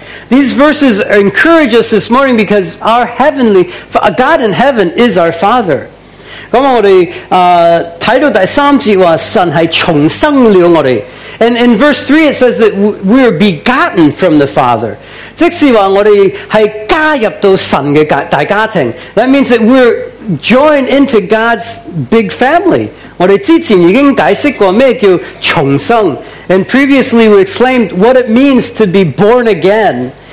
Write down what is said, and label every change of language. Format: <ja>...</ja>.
<en>These verses encourage us this morning because our heavenly, God in heaven is our Father.</en> <zh>我们看到第三节说，神是重生了我们。</zh> <en>And in verse 3 it says that we are begotten from the Father.</en> <zh>即是说我们是加入到神的大家庭。</zh> <en>That means that we're joined into God's big family.</en> <zh>我们之前已经解释过什么叫重生。</zh> <en>And previously we explained what it means to be born again.</en>